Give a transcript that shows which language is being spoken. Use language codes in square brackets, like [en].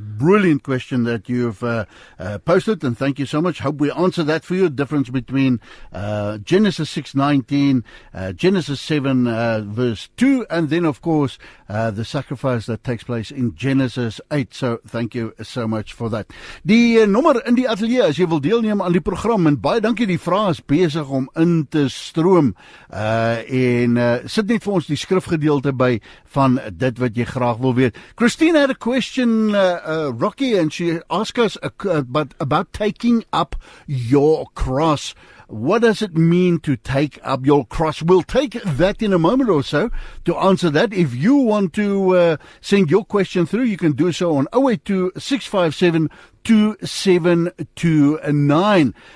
[en] Brilliant question that you've posted, and thank you so much. Hope we answer that for you. The difference between Genesis 6:19, Genesis 7, verse 2, and then, of course, the sacrifice that takes place in Genesis 8. So thank you so much for that. [af] Die nommer in die ateljee as jy wil deelneem aan die program, en baie dankie, die vrae is besig om in te stroom. Sit net vir ons die skrifgedeelte by van dit wat jy graag wil weet. [en] Christine had a question, Rocky, and she asked us about taking up your cross. What does it mean to take up your cross? We'll take that in a moment or so to answer that. If you want to send your question through, you can do so on 082-657-2729.